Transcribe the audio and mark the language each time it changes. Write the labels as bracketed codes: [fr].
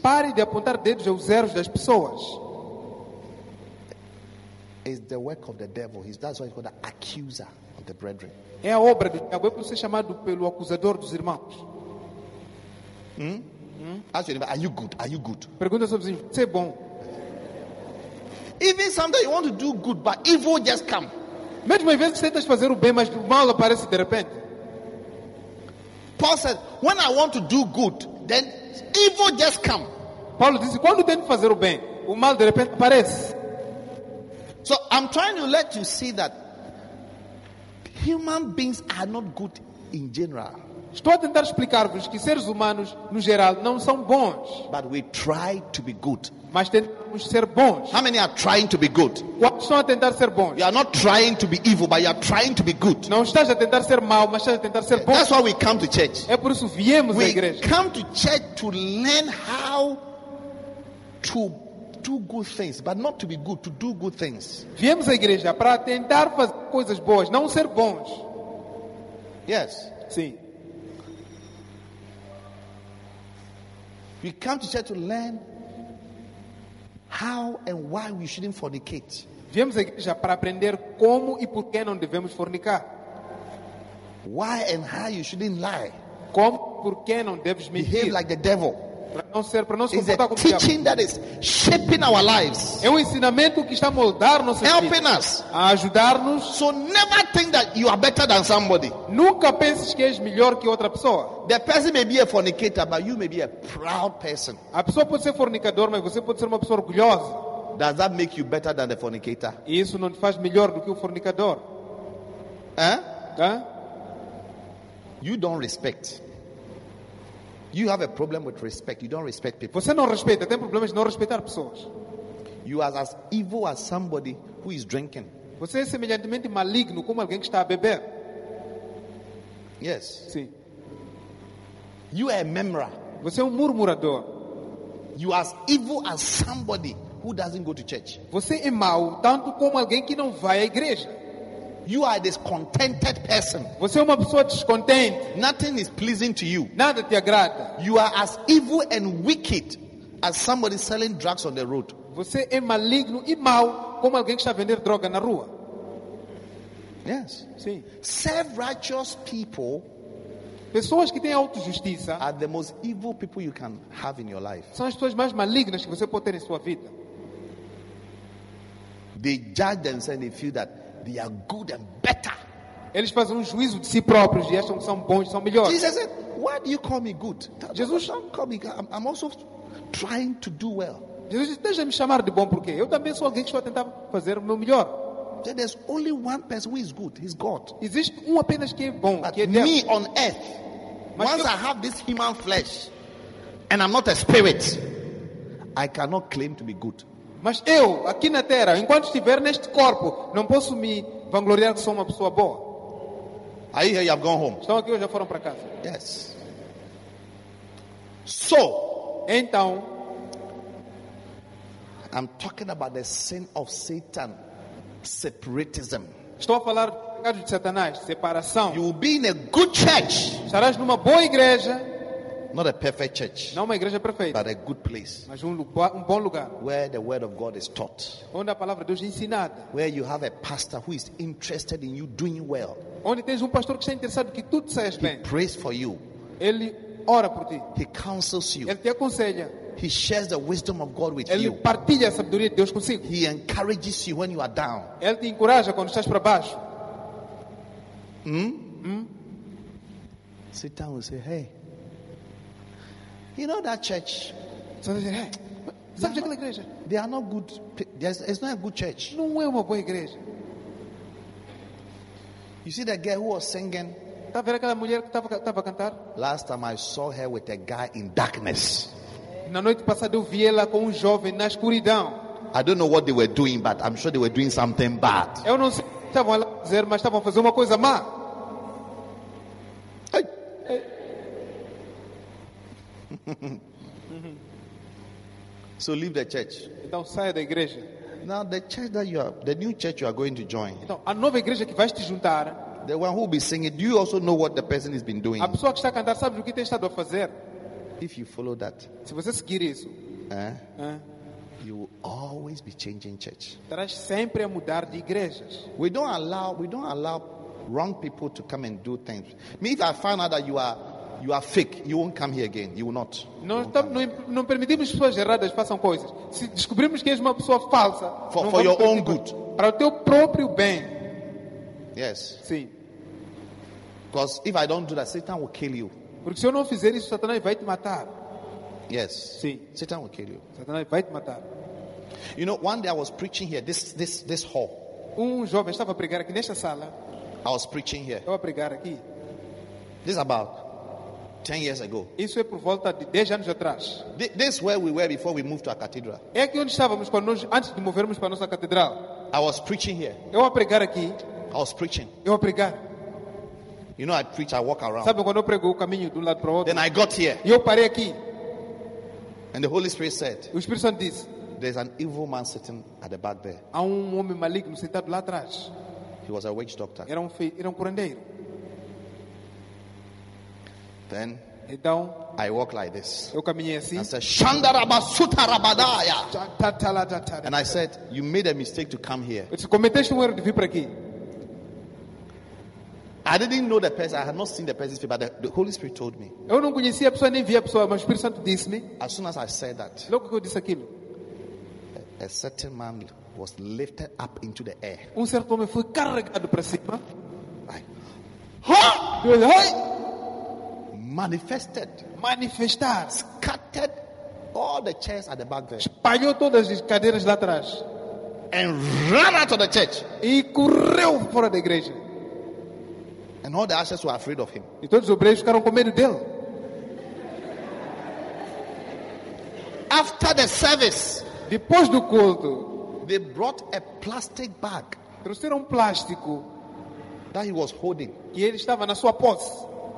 [pt] Pare de apontar dedos aos erros das pessoas. [en] It's the work of the devil. That's why he's called the accuser of the brethren. [pt] É a obra do diabo, é por ser chamado pelo acusador dos irmãos. [en] Ask your neighbor, are you good? Are you good? [pt] Pergunta ao seu vizinho, você é bom? [en] Even sometimes you want to do good, but evil just come. [pt] Mesmo às vezes você tenta fazer o bem, mas o mal aparece de repente. [en] Paul said, when I want to do good, then evil just come. [pt] Paulo disse, quando tento fazer o bem, o mal de repente aparece. [en] So I'm trying to let you see that human beings are not good in general. [pt] Estou a tentar explicar-vos que seres humanos, no geral, não são bons. [en] But we try to be good. [pt] Mas tentamos ser bons. [en] How many are trying to be good? [pt] Quantos estão a tentar ser bons? [en] You are not trying to be evil, but you are trying to be good. [pt] Não estás a tentar ser mau, mas estás a tentar ser bom. [en] That's why we come to church. [pt] É por isso que viemos à igreja. [en] We come to church to learn how to do good things, but not to be good, to do good things. [pt] Viemos à igreja para tentar fazer coisas boas, não ser bons. [en] Yes. [pt] Sim. [en] We come to church to learn how and why we shouldn't fornicate. [pt] Viemos à igreja para aprender como e por que não devemos fornicar. [en] Why and how you shouldn't lie. [pt] Como por que não deves mentir. [en] Behave like the devil. [pt] Para não se comportar como o diabo. [en] Teaching that is shaping our lives. [pt] É um ensinamento que está a moldar nossas vidas. [en] Helping us. [pt] A ajudar-nos. [en] So never think that you are better than somebody. [pt] Nunca penses que és melhor que outra pessoa. [en] The person may be a fornicator, but you may be a proud person. [pt] A pessoa pode ser fornicador, mas você pode ser uma pessoa orgulhosa. [en] Does that make you better than the fornicator? [pt] Isso não te faz melhor do que o fornicador. [en] Hã? You don't respect. You have a problem with respect. You don't respect people. [pt] Você não respeita. Tem problemas de não respeitar pessoas. [en] You are as evil as somebody who is drinking. [pt] Você é semelhantemente maligno como alguém que está a beber. [en] Yes. [pt] Sim. [en] You are a murmurer. [pt] Você é murmurador. [en] You are as evil as somebody who doesn't go to church. [pt] Você é mau tanto como alguém que não vai à igreja. [en] You are a discontented person. [pt] Você é uma pessoa descontente. [en] Nothing is pleasing to you. [pt] Nada te agrada. [en] You are as evil and wicked as somebody selling drugs on the road. [pt] Você é maligno e mau como alguém que está a vender droga na rua. [en] Yes. [pt] Sim. [en] Self-righteous people. [pt] Pessoas que têm auto-justiça [en] are the most evil people you can have in your life. [pt] São as pessoas mais malignas que você pode ter em sua vida. [en] They judge themselves and they feel that they are good and better. [pt] Eles fazem juízo de si próprios e acham que são bons, são melhores. [en] Jesus said, "Why do you call me good?" Jesus, don't call me good. I'm also trying to do well. [pt] Jesus disse, deixa-me chamar de bom porque eu também sou alguém que estou a tentar fazer o meu melhor. [en] So there's only one person who is good. He's God. [pt] Existe apenas que é bom. [en] Me on earth, mas once I have this human flesh, and I'm not a spirit, I cannot claim to be good. [pt] Mas eu aqui na terra, enquanto estiver neste corpo, não posso me vangloriar que sou uma pessoa boa. [en] Aí, you have gone home. [pt] Estão aqui ou já foram para casa? [en] Yes. So, [pt] então, [en] I'm talking about the sin of Satan, separatism. [pt] Estou a falar de Satanás, separação. [en] You will be in a good church. [pt] Estarás numa boa igreja. [en] Not a perfect church. [pt] Não uma igreja perfeita. [en] But a good place. [pt] Mas um bom lugar. [en] Where the word of God is taught. [pt] Onde a palavra de Deus é ensinada. [en] Where you have a pastor who is interested in you doing well. [pt] Onde tens pastor que está interessado que tudo saias bem. [en] He prays for you. [pt] Ele ora por ti. [en] He counsels you. [pt] Ele te aconselha. [en] He shares the wisdom of God with [pt] ele [en] you. [pt] Ele partilha a sabedoria de Deus consigo. [en] He encourages you when you are down. [pt] Ele te encoraja quando estás para baixo. [en] Sit down and say, hey. You know that church? So they say, hey, [pt] sabe aquela igreja? [en] They are not good. It's not a good church. [pt] Não é uma boa igreja. [en] You see that girl who was singing? [pt] Tá vendo aquela mulher que estava a cantar? [en] Last time I saw her with a guy in darkness. [pt] Na noite passada eu vi ela com jovem na escuridão. [en] I don't know what they were doing, but I'm sure they were doing something bad. [pt] Eu não sei o que estavam a fazer, mas estavam a fazer uma coisa má. [en] Hey. Hey. So leave the church. [pt] Então saia da igreja. [en] Now the church that you are, the new church you are going to join. [pt] Então a nova igreja que vais te juntar. [en] The one who will be singing, do you also know what the person has been doing? [pt] A pessoa que está a cantar sabe o que tem estado a fazer? [en] If you follow that, [pt] se você seguir isso, [en] you will always be changing church. [pt] Terás sempre a mudar de igrejas. [en] We don't allow wrong people to come and do things. Me, if I find out that you are fake, you won't come here again. You will not. [pt] Não permitimos pessoas erradas façam coisas. Se descobrirmos que és uma pessoa falsa, [en] for your own good, [pt] para o teu próprio bem. [en] Yes. [pt] Sim. [en] Because if I don't do that, Satan will kill you. [pt] Porque se eu não fizer isso, Satanás vai te matar. [en] Yes. [pt] Sim. [en] Satan will kill you. [pt] Satanás vai te matar. [en] You know, one day I was preaching here, this hall. [pt] Jovem estava a pregar aqui nesta sala. [en] I was preaching here. [pt] Estava a pregar aqui. [en] This is about 10 years ago. [pt] Isso é por volta de 10 anos atrás. [en] This is where we were before we moved to our cathedral. [pt] É aqui onde estávamos quando nós, antes de movermos para a nossa catedral. [en] I was preaching here. [pt] Eu a pregar aqui. [en] I was preaching. [pt] Eu a pregar. [en] You know, I preach, I walk around. [pt] Sabe quando eu prego, eu caminho de lado para outro. [en] Then I got here. [pt] Eu parei aqui. [en] And the Holy Spirit said, [pt] o Espírito Santo disse, [en] there's an evil man sitting at the back there. [pt] Há homem maligno sentado lá atrás. [en] He was a witch doctor. [pt] Era um curandeiro. [en] Then, [pt] então, [en] I walk like this. [pt] Eu caminhei assim. I said, Shandarabasuta Rabadaya. [en] And I said, you made a mistake to come here. [pt] Você cometeu um erro de vir para aqui. [en] I didn't know the person. I had not seen the person's face, but the Holy Spirit told me. [pt] Eu não conhecia a pessoa nem vi a pessoa, mas o Espírito Santo disse-me. [en] As soon as I said that, [pt] logo que eu disse aquilo, [en] a certain man was lifted up into the air. [pt] Certo homem foi carregado para cima. [en] Like, ha! Manifested. [pt] Manifestado. [en] Scattered all the chairs at the back there. [pt] Espalhou todas as cadeiras lá atrás. [en] And ran out of the church. [pt] E correu fora da igreja. [en] And all the ashes were afraid of him. [pt] E todos os obreiros ficaram com medo dele. [en] After the service, [pt] depois do culto, [en] they brought a plastic bag. [pt] Trouxeram plástico [en] that he was holding. [pt] Que ele estava na sua posse.